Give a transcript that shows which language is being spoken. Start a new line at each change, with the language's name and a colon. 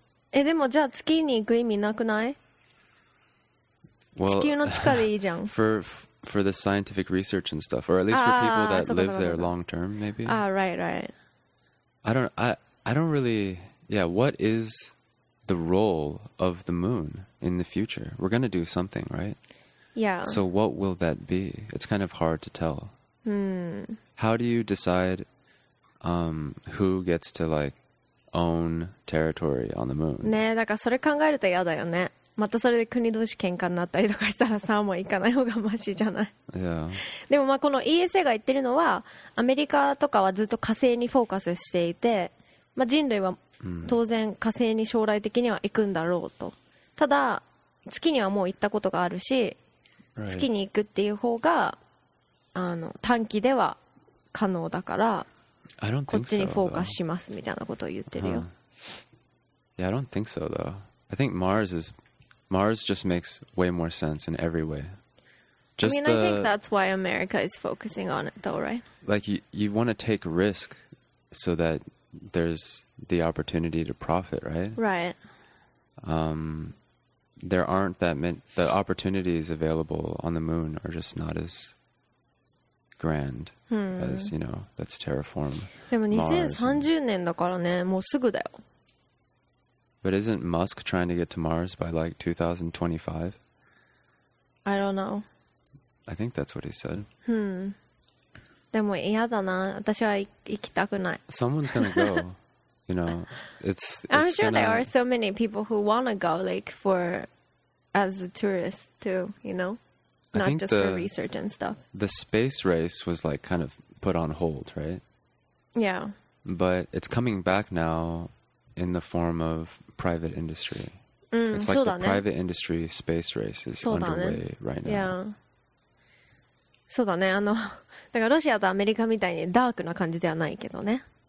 Japanese: でもじゃあ月に行く意味なくない？
English: Well,
Japanese: 地球の地下でいいじゃん。
English: for the scientific research and stuff, or at least for people that live there long term, maybe. Ah, right, right. I don't really. Yeah, what is the role of the moon in the future? We're going to do something, right? Yeah. So what will that be? It's kind of hard to tell. How do you decide who gets to like own territory on the moon?
Japanese: ね、だからそれ考えると嫌だよね。またそれで国同士喧嘩になったりとかしたらサーモン行かない方がマシじゃない。
English: Yeah.
Japanese: でもまあこの ESA が言ってるのはアメリカとかはずっと火星にフォーカスしていて、まあ、人類は当然火星に将来的には行くんだろうと。ただ月にはもう行ったことがあるし、
English: right.
Japanese: 月に行くっていう方が短期では可能だから、
English: I don't think
Japanese: こっちにフォーカスしますみたいなことを言ってるよ。
English: Yeah, I don't think so though. I think Mars just makes way more sense in every way. Just I mean, I think that's why America is focusing on it though, right? Like, you want to take risk so that there's the opportunity to profit, right? Right. There aren't that many... The opportunities available on the moon are just not as grand as, you know, let's terraform Mars.
Japanese: でも2030年だからね、もうすぐだよ。
English: But isn't Musk trying to get to Mars by like 2025? I don't know. I think that's what he said.
Japanese: でも嫌だな。私は行きたくない。
English: Someone's gonna go. You know, it's I'm sure there are so many people who wanna go like for as a tourist too, you know? Not just for research and stuff. The space race was like kind of put on hold, right? Yeah. But it's coming back now in the form of private industry. It's like the private industry space race is underway right now. Yeah.
Japanese: そうだね。だからロシアとアメリカみたいにダークな感じではないけどね。